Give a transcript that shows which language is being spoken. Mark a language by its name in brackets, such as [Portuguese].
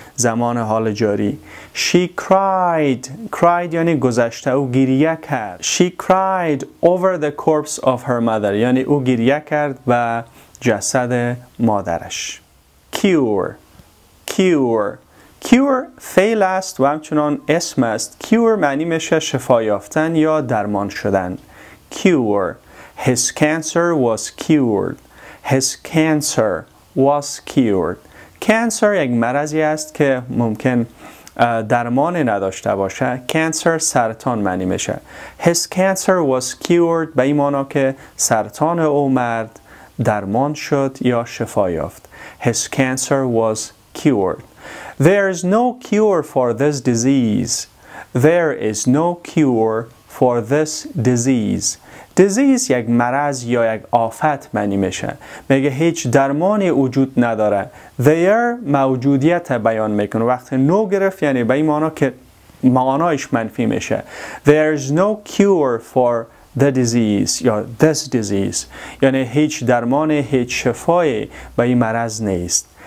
[Persian] زمان حال جاری. [English] She cried. [Persian] Cried یعنی گذشته. او گریه کرد. [English] She cried over the corpse of her mother. [Persian] یعنی او گریه کرد و جسد مادرش. [English] Cure. Cure. [Persian] Cure فعل است و همچنان اسم است. Cure معنی میشه شفا یافتن یا درمان شدن. [English] Cure. His cancer was cured. His cancer was cured. [Persian] Cancer یک مرضی است که ممکن درمان نداشته باشه. Cancer سرطان معنی میشه. [English] His cancer was cured [Persian] به این معنا که سرطان او مرد درمان شد یا شفا یافت. [English] His cancer was cured. There is no cure for this disease. There is no cure for this disease. [Persian] Disease یک مرض یا یک آفت معنی میشه. میگه هیچ درمانی وجود نداره. There موجودیت بیان میکنه. وقتی no گرفت یعنی به این معنا که معانایش منفی میشه. [English] There is no cure for the disease [Persian] یا [English] this disease. [Persian] یعنی هیچ درمانی، هیچ شفایی به این مرض نیست.